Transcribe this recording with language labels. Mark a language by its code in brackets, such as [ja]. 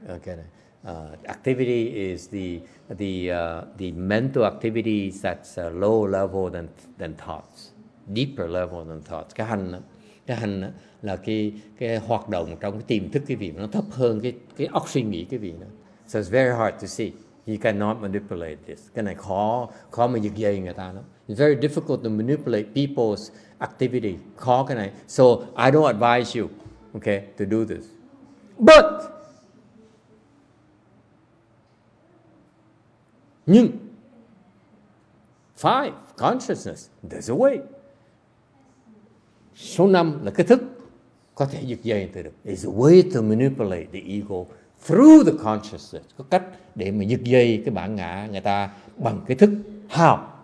[en] Okay, activity is the mental activities that's lower level than thoughts, deeper level than thoughts. [vi] Cái hành là cái hoạt động trong cái tiềm thức cái vị nó thấp hơn cái óc suy nghĩ cái vị nữa. [en] So it's very hard to see. You cannot manipulate this. [vi] Cái này khó mà giật dây người ta lắm. [en] It's very difficult to manipulate people's activity. [vi] Khó cái này. [en] So I don't advise you, okay, to do this. But nhưng five consciousness, there's a way. [vi] Số năm là cái thức có thể giật dây người ta được. [en] It's a way to manipulate the ego through the consciousness. [vi] Có cách để mà giật dây cái bản ngã người ta bằng cái thức. [en] How?